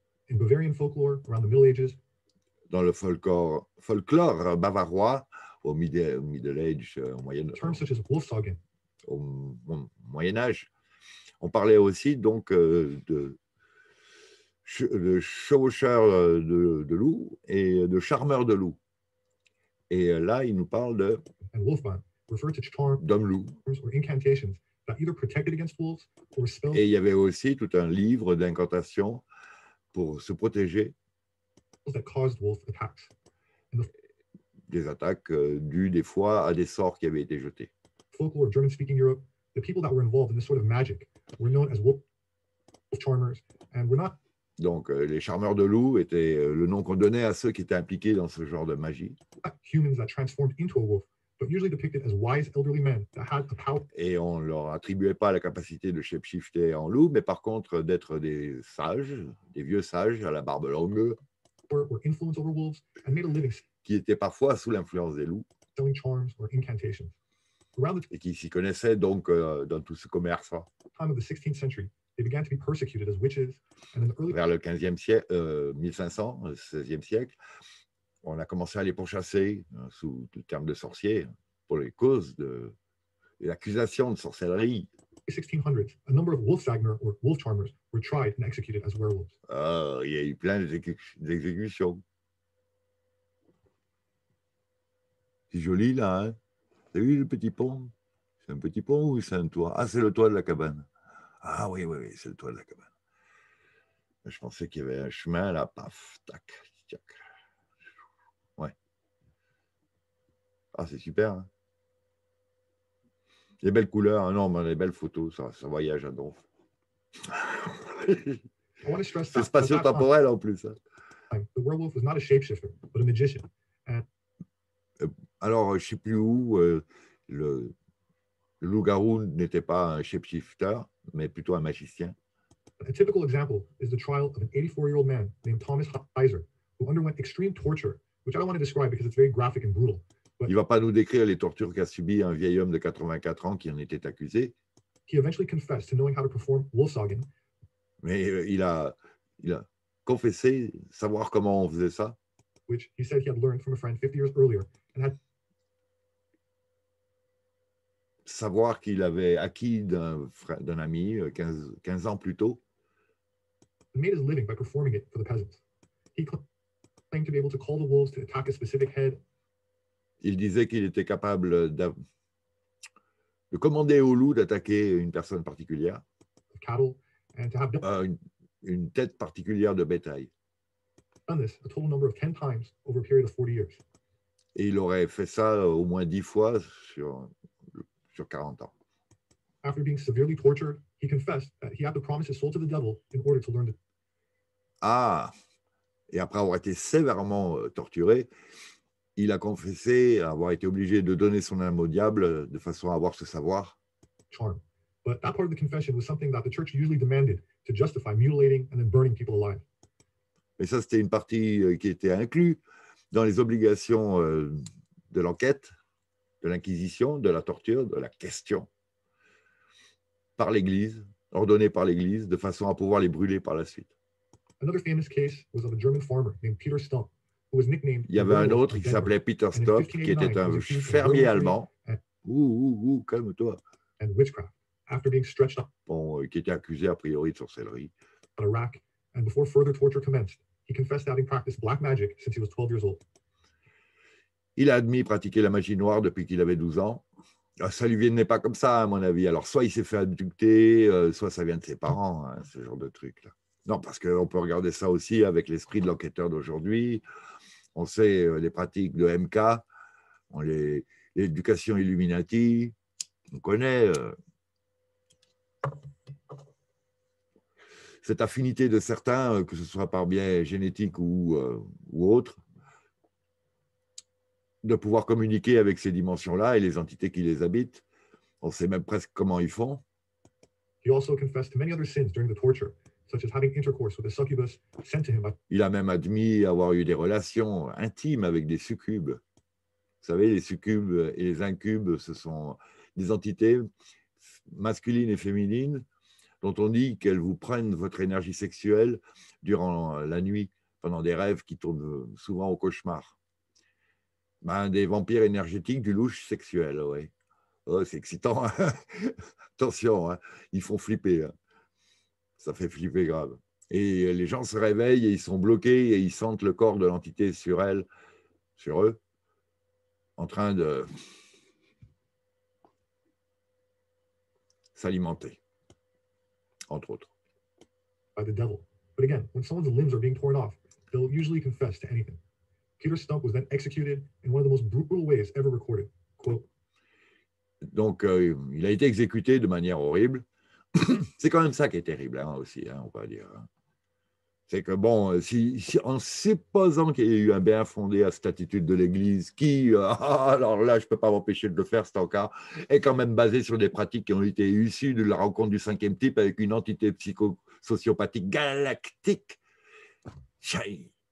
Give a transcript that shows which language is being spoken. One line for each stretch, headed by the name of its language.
English: In Bavarian folklore, around the Middle Ages.
French: Dans le folklore bavarois, au
English: Middle Age, Terms such as Wolfsagen.
French: Au Moyen-Âge. On parlait aussi donc de chevaucheur de loup et de charmeur de loup. Et là, il nous parle de
English: And Wolfman referred to charms
French: d'homme-loup.
English: or incantations that either protected against wolves or
French: Et
English: spells.
French: il y avait aussi tout un livre d'incantations pour se protéger
English: That caused wolf attacks.
French: des attaques dues des fois à des sorts qui avaient été jetés.
English: Folklore of German-speaking Europe, the people that were involved in this sort of magic were known as wolf charmers and were not.
French: Donc, les charmeurs de loups étaient le nom qu'on donnait à ceux qui étaient impliqués dans ce genre de magie.
English: Humans that transformed into a wolf, but usually depicted as wise elderly men that had the power.
French: Et on ne leur attribuait pas la capacité de shapeshifter en loup, mais par contre d'être des sages, des vieux sages à la barbe longue,
English: Were influenced over wolves and made a living
French: qui étaient parfois sous l'influence des loups,
English: selling charms or incantations. Around
French: et qui s'y connaissaient donc dans tout ce commerce-là.
English: The time of the 16th century, they began to be persecuted as witches and in the early.
French: Vers le 15e siècle, 1500, 16e siècle, on a commencé à les pourchasser sous le terme de sorciers pour les causes de l'accusation de sorcellerie.
English: 1600s, a number of Wolfsagner or wolf charmers were tried and executed as werewolves.
French: Il y a eu plein d'exécutions. C'est joli là, hein? T'as vu le petit pont? C'est un petit pont ou c'est un toit? Ah, c'est le toit de la cabane. Ah oui, c'est le toit de la cabane. Je pensais qu'il y avait un chemin là, paf, tac, tac. Ah, c'est super, hein? Les belles couleurs, hein? Non, mais les belles photos, ça voyage à donf.
English: I want to stress
French: C'est
English: that at that time,
French: spatio-temporel en plus, hein?
English: the werewolf was not a shapeshifter, but a magician. And
French: Alors, je ne sais plus où, le loup-garou n'était pas un shapeshifter, mais plutôt un magicien.
English: a typical example is the trial of an 84-year-old man named Thomas Heiser, who underwent extreme torture, which I don't want to describe because it's very graphic and brutal.
French: Il ne va pas nous décrire les tortures qu'a subies un vieil homme de 84 ans qui en était accusé.
English: He eventually confessed to knowing how to perform Wolfsagen.
French: Mais il a confessé savoir comment on faisait ça.
English: Which he said he had learned from a friend 50 years earlier and had.
French: Savoir qu'il avait acquis d'un ami 15 ans plus tôt.
English: Made his living by performing it for the peasants. He claimed to be able to call the wolves to attack a specific head.
French: Il disait qu'il était capable de commander au loup d'attaquer une personne particulière,
English: Of cattle and to have done.
French: une tête particulière de bétail.
English: Done this a total number of 10 times over a period of 40 years.
French: Et il aurait fait ça au moins 10 fois sur 40 ans.
English: After being severely tortured, he confessed that he had to promise his soul to the devil in order to learn to.
French: Ah, et après avoir été sévèrement torturé, il a confessé avoir été obligé de donner son âme au diable de façon à avoir ce savoir.
English: Charm. But that part of the confession was something that the church usually demanded to justify mutilating and then burning people alive.
French: Mais ça, c'était une partie qui était inclue dans les obligations de l'enquête, de l'inquisition, de la torture, de la question par l'Église, ordonnée par l'Église, de façon à pouvoir les brûler par la suite.
English: Another famous case was of a German farmer named Peter Stump, who was nicknamed.
French: Il y avait un autre qui s'appelait Peter Stump, qui était un fermier allemand. Ouh, calme-toi.
English: And witchcraft, after being stretched up.
French: Bon, qui était accusé a priori de sorcellerie.
English: On a rack, and before further torture commenced, he confessed having practiced black magic since he was 12 years old.
French: Il a admis pratiquer la magie noire depuis qu'il avait 12 ans. Ça lui venait pas comme ça, à mon avis. Alors, soit il s'est fait abducter, soit ça vient de ses parents, hein, ce genre de truc-là. Non, parce qu'on peut regarder ça aussi avec l'esprit de l'enquêteur d'aujourd'hui. On sait les pratiques de MK, l'éducation Illuminati, on connaît cette affinité de certains, que ce soit par biais génétique ou autre, de pouvoir communiquer avec ces dimensions-là et les entités qui les habitent. On sait même presque comment ils font.
English: He also confessed to many other sins during the torture, such as having intercourse with a succubus sent to him by...
French: Il a même admis avoir eu des relations intimes avec des succubes. Vous savez, les succubes et les incubes, ce sont des entités masculines et féminines dont on dit qu'elles vous prennent votre énergie sexuelle durant la nuit, pendant des rêves qui tournent souvent au cauchemar. Ben, des vampires énergétiques du louche sexuel, oui. Oh, c'est excitant. Attention, hein, ils font flipper. Hein. Ça fait flipper grave. Et les gens se réveillent et ils sont bloqués et ils sentent le corps de l'entité sur elle, sur eux, en train de s'alimenter, entre autres.
English: By the devil. But again, when someone's limbs are being torn off, they'll usually confess to anything. Peter Stump was then executed in one of the most brutal ways ever recorded. Quote.
French: Donc, il a été exécuté de manière horrible. C'est quand même ça qui est terrible, hein, aussi, hein, on va dire. C'est que, bon, si en supposant qu'il y ait eu un bien fondé à cette attitude de l'Église, qui, alors là, je ne peux pas m'empêcher de le faire, c'est encore, est quand même basé sur des pratiques qui ont été issues de la rencontre du cinquième type avec une entité psychosociopathique galactique. Chaïe.